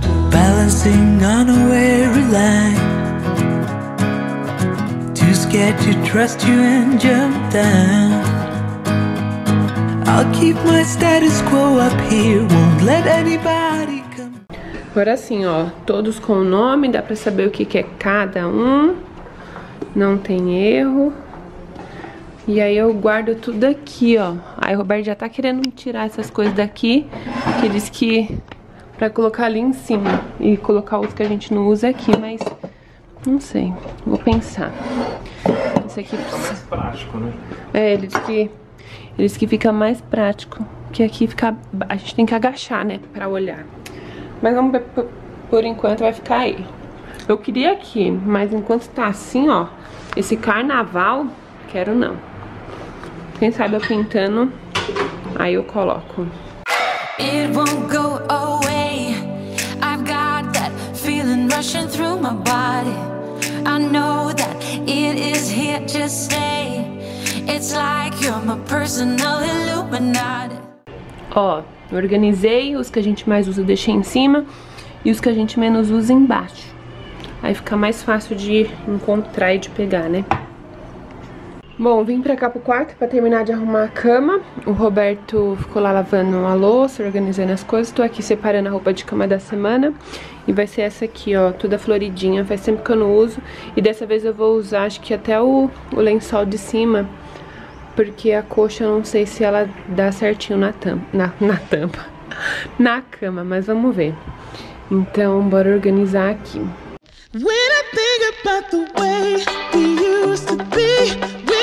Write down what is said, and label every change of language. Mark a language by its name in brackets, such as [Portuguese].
[English] Balancing on a weary line. Get to trust you and jump down. I'll keep my status quo up here. Won't let anybody come. [Portuguese] Agora sim, ó. Todos com o nome, dá pra saber o que, que é cada um. Não tem erro. E aí eu guardo tudo aqui, ó. Aí o Roberto já tá querendo me tirar essas coisas daqui. Que diz que pra colocar ali em cima. E colocar os que a gente não usa aqui, mas. Não sei, vou pensar. Esse aqui precisa... É mais prático, né? É, ele disse que fica mais prático. Porque aqui fica... A gente tem que agachar, né? Pra olhar. Mas vamos ver, por enquanto vai ficar aí. Eu queria aqui, mas enquanto tá assim, ó. Esse carnaval, quero não. Quem sabe eu pintando, aí eu coloco. [English] It won't go away. I've got that feeling rushing through my body. I know that it is here to stay. It's like you're my personal Illuminati. [Portuguese] Ó, organizei os que a gente mais usa, deixei em cima, e os que a gente menos usa embaixo. Aí fica mais fácil de encontrar e de pegar, né? Bom, vim pra cá pro quarto pra terminar de arrumar a cama. O Roberto ficou lá lavando a louça, organizando as coisas. Tô aqui separando a roupa de cama da semana. E vai ser essa aqui, ó, toda floridinha. Faz tempo que eu não uso. E dessa vez eu vou usar, acho que até o lençol de cima. Porque a coxa, eu não sei se ela dá certinho na tampa. Na cama, mas vamos ver. Então, bora organizar aqui. [English] When I think about the way we used to be.